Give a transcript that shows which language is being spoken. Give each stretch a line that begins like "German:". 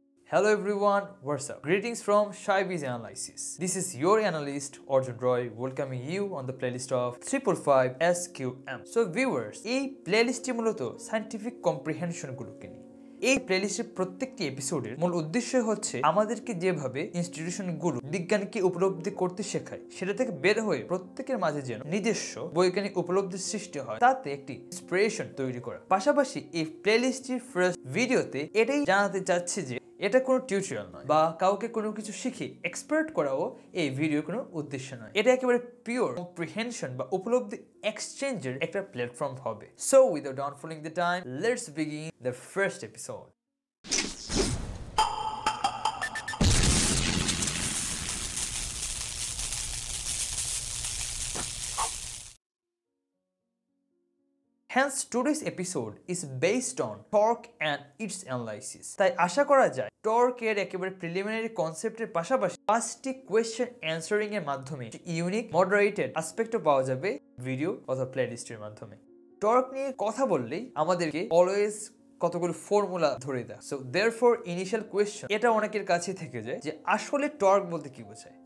English: Hello everyone, what's up? Greetings from SCI BIZ Analysis. This is your analyst Arjan Roy welcoming you on the playlist of 555 SQM. So viewers,
Bangla: এই প্লেলিস্টটি মূলত scientific কম্প্রিহেনশনগুলোকে নিয়ে। এই প্লেলিস্টের প্রত্যেকটি এপিসোডের মূল উদ্দেশ্য হচ্ছে আমাদেরকে যেভাবে ইনস্টিটিউশনগুলো বিজ্ঞানকে উপলব্ধি করতে শেখায় সেটা থেকে বের হয়ে প্রত্যেকের মাঝে যেন নিজস্ব বৈজ্ঞানিক উপলব্ধির সৃষ্টি হয় তাতে একটি ইন্সপিরেশন তৈরি করা। পাশাপাশি এই প্লেলিস্টটির ফার্স্ট ভিডিওতে এটাই জানাতে চাচ্ছি যে এটা কোনো টিউটোরিয়াল নয় বা কাউকে কোনো কিছু শিখে এক্সপার্ট করাও এই ভিডিও কোনো উদ্দেশ্য নয়। এটা একেবারে পিওর কম্প্রিহেনশন বা উপলব্ধি এক্সচেঞ্জের একটা প্ল্যাটফর্ম হবে।
English: So without down falling the time let's begin the first episode. Hence, today's episode is based on torque and its analysis.
Bangla: তাই আশা করা যায় টর্কের একেবারে প্রিলিমিনারি কনসেপ্টের পাশাপাশি পাঁচটি কোয়েশ্চেন অ্যান্সারিং এর মাধ্যমে ইউনিক মডারেটেড অ্যাস্পেক্টও পাওয়া যাবে ভিডিও অথবা প্লেলিস্টের মাধ্যমে। টর্ক নিয়ে কথা বললেই আমাদেরকে অলওয়েজ কতগুলো ফর্মুলা ধরে দেয়।
English: so therefore initial question
Bangla: এটা অনেকের কাছে থেকে যায় যে আসলে টর্ক বলতে কি বোঝায়।